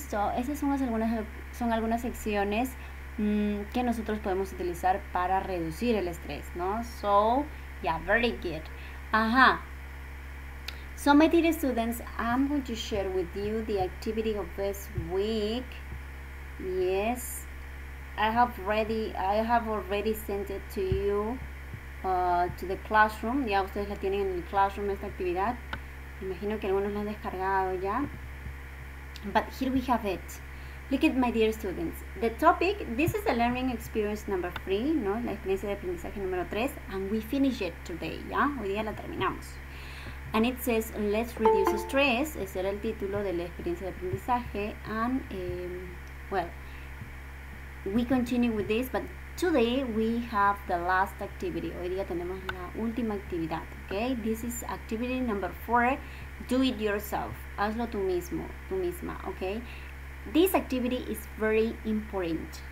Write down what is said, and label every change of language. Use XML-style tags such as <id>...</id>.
<es>So esas son algunas secciones que nosotros podemos utilizar para reducir el estrés, ¿no?</es> <en>So, yeah, very good. Ajá. So my dear students, I'm going to share with you the activity of this week. Yes, I have already sent it to you, to the classroom.</en> <es>Ya ustedes la tienen en el classroom esta actividad. Imagino que algunos la han descargado ya.</es> <en>But here we have it. Look at my dear students. The topic, this is the learning experience number 3, ¿no?</en> <es>La experiencia de aprendizaje número 3.</es> <en>And we finish it today,</en> <es>¿ya? Hoy día la terminamos.</es> <en>And it says, let's reduce stress.</en> <es>Ese era el título de la experiencia de aprendizaje.</es> <en>And, well, we continue with this, but today we have the last activity.</en> <es>Hoy día tenemos la última actividad,</es> <en>okay? This is activity number 4. Do it yourself.</en> <es>Hazlo tú mismo, tú misma, okay?</es> <en>This activity is very important.</en>